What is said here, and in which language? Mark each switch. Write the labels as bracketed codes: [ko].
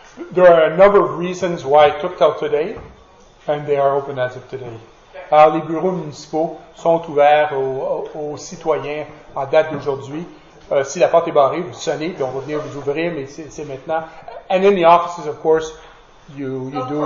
[en] There are a number of reasons why it took till today, and they are open as of today. [fr] Alors, les bureaux municipaux sont ouverts aux citoyens en date d'aujourd'hui. Si la porte est barrée, vous sonnez, puis on va venir vous ouvrir, mais c'est maintenant. [en] And in the offices, of course, you do.